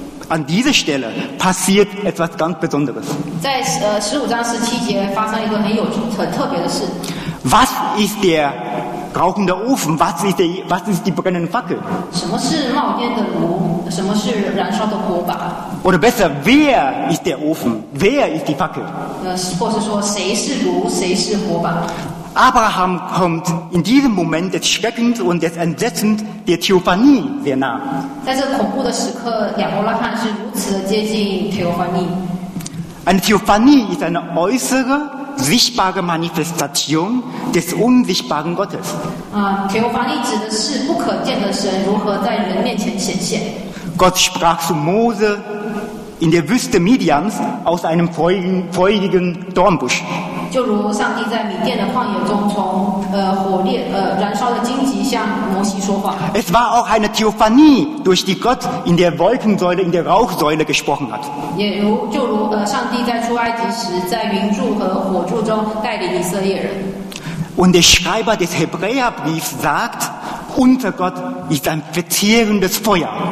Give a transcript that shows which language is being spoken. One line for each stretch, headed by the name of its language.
German: An dieser Stelle passiert etwas ganz Besonderes.
Chinese: 在15:17发生一个很特别的事。
German: Was ist der rauchende Ofen? Was ist die brennende Fackel?
Chinese: 什么是冒烟的炉？什么是燃烧的火把？
German: Oder besser, wer ist der Ofen? Wer ist die Fackel?
Chinese: 或是说谁是炉，谁是火把？
German: Abraham kommt in diesem Moment des Schreckens und des Entsetzens der Theophanie sehr nah.
Chinese: 在这恐怖的时刻，亚伯拉罕是如此的接近提欧凡尼。
German: Eine Theophanie ist eine äußere, sichtbare Manifestation des unsichtbaren Gottes.
Chinese: Theophanie 指的是不可见的神如何在人面前显现。
German: Gott sprach zu Mose in der Wüste Midians aus einem feurigen Dornbusch.
Chinese: 就如上帝在米甸的旷野中从火烈燃烧的荆棘向摩西说话。
German: Es war auch eine Theophanie, durch die Gott in der Wolkensäule, in der Rauchsäule gesprochen hat.
Chinese: 也如就如上帝在出埃及时在云柱和火柱中带领以色列人。
German: Und der Schreiber des Hebräerbriefs sagt, unser Gott ist ein verzehrendes Feuer.